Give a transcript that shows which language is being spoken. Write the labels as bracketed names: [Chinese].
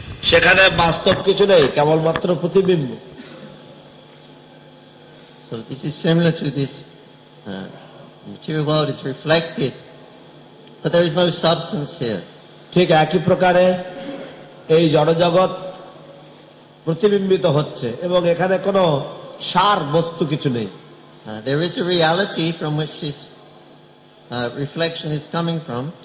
[Bangla] সেখানে বাস্তব কিছু নেই, কেবলমাত্র প্রতিবিম্ব। [English] So this is similar to this. Material world is reflected. But there is no substance here. [Bangla] ঠিক একই প্রকারে এই জড়জগৎ প্রতিবিম্বিত হচ্ছে এবং এখানে কোন সার বস্তু কিছু নেই। [English] There is a reality from which this reflection is coming from.